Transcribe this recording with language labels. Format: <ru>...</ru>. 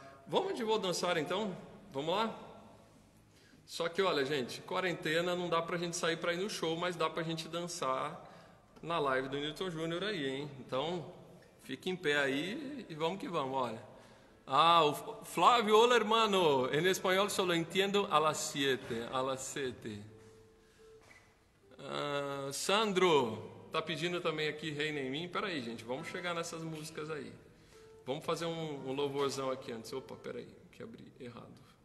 <pt>Vamos de Vou Dançar então? Vamos lá? Só que olha, gente, quarentena não dá pra gente sair para ir no show, mas dá pra gente dançar na live do Newton Júnior aí, hein? Então, fique em pé aí e vamos que vamos, olha. Ah, o Flávio, olá, hermano.</pt> <es>En español solo entiendo a las siete. A las siete.</es> <pt>Sandro, tá pedindo também aqui Reina em Mim. Peraí, gente, vamos chegar nessas músicas aí. Vamos fazer um louvorzão aqui antes. Opa, peraí, que abri errado.</pt>